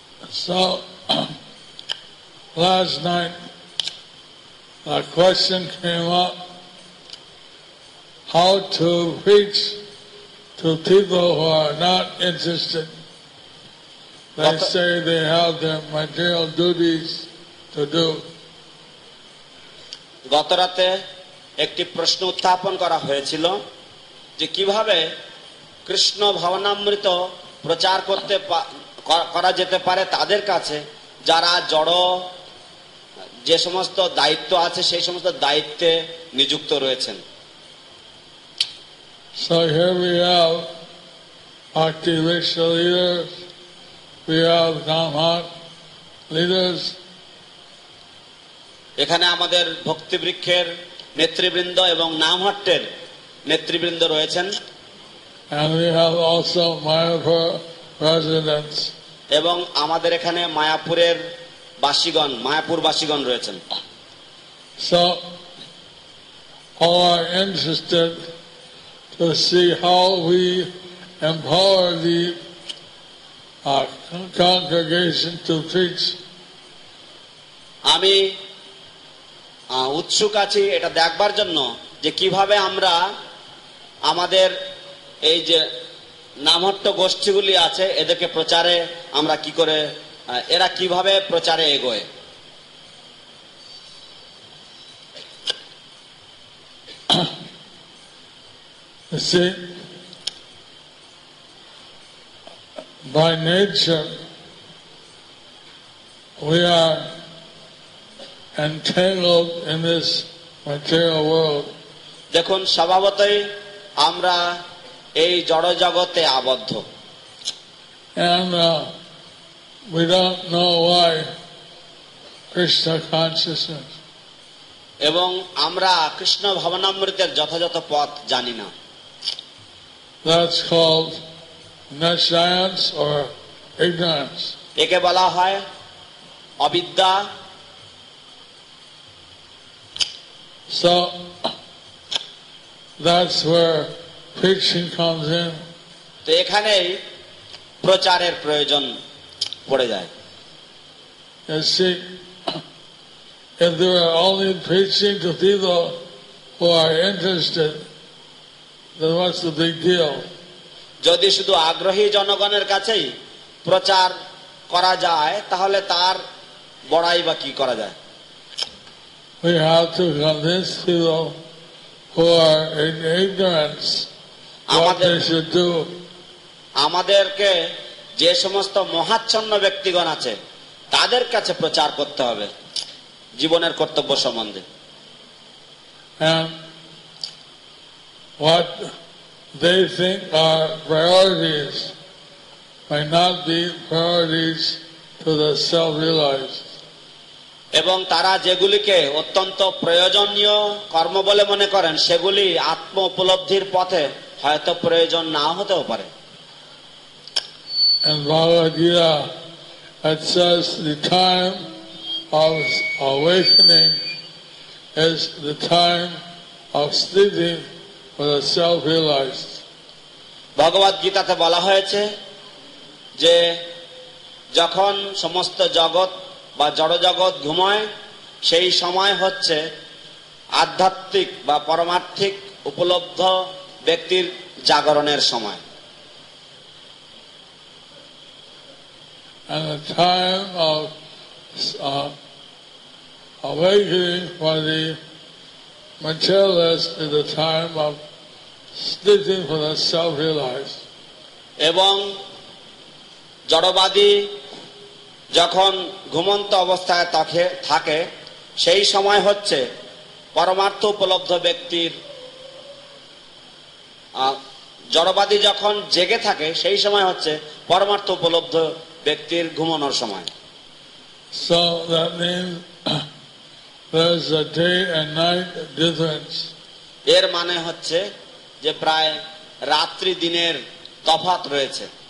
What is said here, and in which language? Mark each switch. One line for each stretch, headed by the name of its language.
English: So, last night, a question came up, how to preach to people who are not interested. They say they have their material duties to do.
Bangla: গতরাতে একটি প্রশ্ন উত্থাপন করা হয়েছিল যে কিভাবে কৃষ্ণ ভাবনামৃত প্রচার করতে করা যেতে পারে তাদের কাছে যারা জড় যে সমস্ত দায়িত্ব আছে সেই সমস্ত দায়িত্বে নিযুক্ত রয়েছেন।
English: So here we have activational leaders, we have Dhammak leaders.
Bangla: এখানে আমাদের ভক্তিবৃক্ষের নেতৃবৃন্দ এবং নামহট্টের নেতৃবৃন্দ রয়েছেন।
English: And we have also Mayapur residents.
Bangla: এবং আমাদের এখানে মায়াপুরের বাসীগণ, মায়াপুর বাসীগণ রয়েছেন।
English: So, all are interested to see how we empower the congregation to preach.
Bangla: আমি উৎসুক আছি এটা দেখবার জন্য যে কিভাবে আমরা আমাদের এই যে নামহট্ট গোষ্ঠীগুলি আছে এদেরকে প্রচারে আমরা কি করে এরা কিভাবে প্রচারে এগোয়।
English: See, by nature, we are entangled in this material world.
Bangla: দেখুন স্বভাবতই আমরা এই জড় জগতে আবদ্ধ।
English: And we don't know why Krishna consciousness.
Bangla: এবং আমরা কৃষ্ণ ভাবনামৃতের যথাযথ পথ জানি না।
English: That's called nescience or ignorance.
Bangla: একে বলা হয় অবিদ্যা।
English: So that's where preaching comes in.
Bangla: তো এখানেই প্রচারের প্রয়োজন পড়ে যায়।
English: You see, if they were only preaching to people who are interested, then what's the big deal?
Bangla: যদি শুধু আগ্রহী জনগণের কাছেই প্রচার করা যায় তাহলে তার বড়াই বা কি করা যায়।
English: We have to convince people who are in ignorance what they should do.
Bangla: আমাদেরকে যে সমস্ত মহাচ্ছন্ন ব্যক্তিগণ আছে তাদের কাছে প্রচার করতে হবে জীবনের কর্তব্য সম্বন্ধে।
English: And what they think are priorities may not be priorities to the self-realized.
Bangla: এবং তারা যেগুলিকে অত্যন্ত প্রয়োজনীয় কর্ম বলে মনে করেন সেগুলি আত্ম উপলব্ধির পথে হয়তো প্রয়োজন নাও হতেও পারে।
English: And Bhagavad Gita, it says the time of awakening is the time of sleeping for the self-realized.
Bangla: Bhagavad Gita তে বলা হয়েছে যে যখন সমস্ত জগৎ বা জড় জগৎ ঘুমায় সেই সময় হচ্ছে আধ্যাত্মিক বা পরমার্থিক উপলব্ধ ব্যক্তির জাগরণের সময়।
English: And the time of awakening for the materialist is the time of sleeping for the self-realized.
Bangla: এবং জড়বাদী যখন ঘুমন্ত অবস্থায় থাকে সেই সময় হচ্ছে পরমার্থ উপলব্ধ ব্যক্তির। জড়বাদী যখন জেগে থাকে সেই সময় হচ্ছে পরমার্থ উপলব্ধ ব্যক্তির ঘুমানোর সময়।
English: So that means there's a day and night difference.
Bangla: এর মানে হচ্ছে যে প্রায় রাত্রি দিনের তফাৎ রয়েছে।